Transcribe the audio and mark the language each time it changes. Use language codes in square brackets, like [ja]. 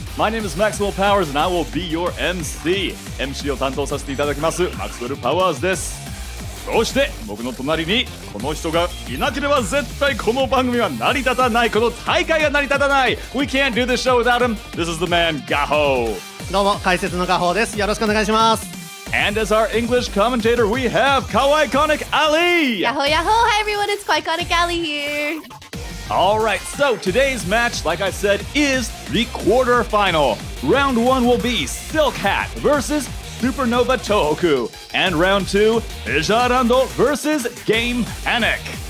[en] My name is Maxwell Powers and I will be your MC. [ja] MC を担当させていただきます、Maxwell Powers です。そして僕の隣にこの人がいなければ絶対この番組は成り立たない、この大会が成り立たない。 [en] We can't do this show without him. This is the man, Gaho. [ja] どうも、解説のガホーです。よろしくお願いします。 [en] And as our English commentator, we have Kawaiconic Ali. Yahoo, yahoo. Hi everyone, it's Kawaiconic Ali here. Alright, so today's match, like I said, is the quarterfinal. Round 1 will be Silk Hat versus Supernova Tohoku, and round 2, Jarando versus Game Panic.